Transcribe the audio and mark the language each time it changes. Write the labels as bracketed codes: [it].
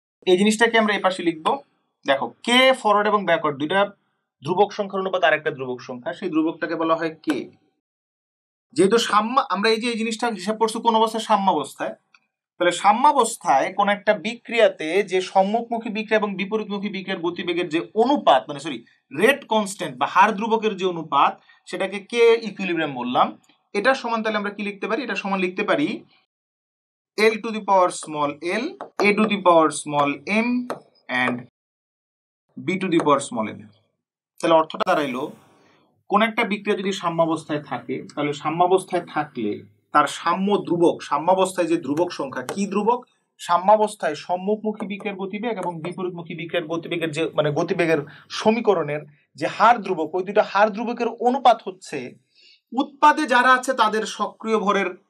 [bn] এই জিনিসটাকে আমরা এপাশে লিখবো, দেখো কে ফরওয়ার্ড এবং ব্যাকওয়ার্ড দুইটা ধ্রুবক সংখ্যার অনুপাত আর একটা ধ্রুবক সংখ্যা, সেই ধ্রুবকটাকে বলা হয় কে, যেহেতু সাম্য আমরা এই যে এই জিনিসটা হিসাব করছি কোন অবস্থায়, সাম্যাবস্থায়। তাহলে সাম্যাবস্থায় কোন একটা বিক্রিয়াতে যে সম্মুখমুখী বিক্রিয়া এবং বিপরীতমুখী বিক্রিয়ার গতিবেগের যে অনুপাত মানে সরি রেট কনস্ট্যান্ট বা হার ধ্রুবকের যে অনুপাত সেটাকে কে ইকুইলিব্রিয়াম বললাম, এটা সমান তাহলে আমরা কি লিখতে পারি, এটা সমান লিখতে পারি [en] l to the power small l, a to the power small m and b to the power small m. [bn] তাহলে অর্থটা দাঁড়াইলো কোন একটা বিক্রিয়া যদি সাম্যাবস্থায় থাকে তাহলে সাম্যাবস্থায় থাকলে তার সাম্য ধ্রুবক সাম্যাবস্থায় যে ধ্রুবক সংখ্যা কি ধ্রুবক সাম্যাবস্থায় সম্মুখমুখী বিক্রিয়ার গতিবেগ এবং বিপরীতমুখী বিক্রিয়ার গতিবেগের যে মানে গতিবেগের সমীকরণের যে হার ধ্রুবক ওই দুটো হার ধ্রুবকের অনুপাত হচ্ছে উৎপাদে যারা আছে তাদের সক্রিয় ভরের